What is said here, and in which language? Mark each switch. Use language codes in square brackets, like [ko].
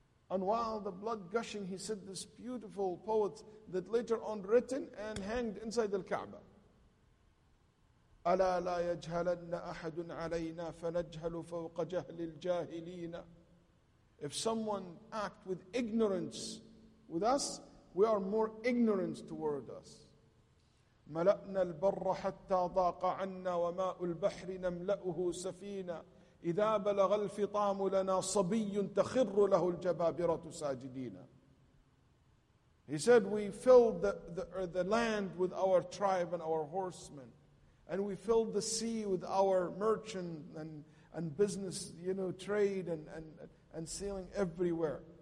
[en] And while the blood gushing, he said this beautiful poet that later on written and hanged inside the Kaaba. [ar] أَلَا لَا يَجْهَلَنَّ أَحَدٌ عَلَيْنَا فَنَجْهَلُ فَوْقَ جَهْلِ الْجَاهِلِينَ [en] If someone act with ignorance with us, we are more ignorant toward us. [ar] ملأنا البر حتى ضاق عنا وماء البحر نملأه سفينة إذا بلغ الفطام لنا صبي تخر له الجبابرة ساجدين. [en] He said, we filled the land with our tribe and our horsemen, and we filled the sea with our merchant and business, you know, trade and sailing everywhere.